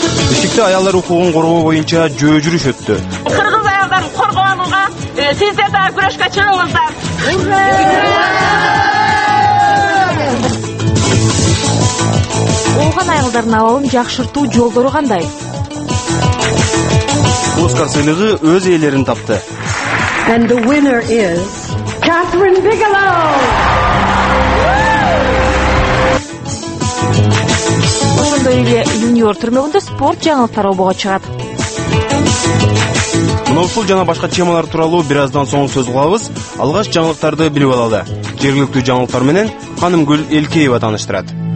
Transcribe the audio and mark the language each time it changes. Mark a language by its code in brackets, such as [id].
[ky] Бишкекте аялдар укугун коргоо боюнча жөө жүрүш өттү. Кыргыз аялдарын коргоонууга сиздер дагы күрөшкө чыгыңыздар. Оган аялдардын абалын жакшыртуу жолдору кандай? Оскар сыйлыгы өз ээлерин тапты. [en] And the winner is Catherine Bigelow. [ky] Ошондой эле юниор түрмөгүндө спорт жаңылыктары обого чыгат. Мунусул жана башка темалар тууралуу бир аздан соң сөз кылабыз. Алгач жаңылыктарды билип алалы. Жергиликтүү жаңылыктар менен Ханымгүл Элкеева тааныштырат.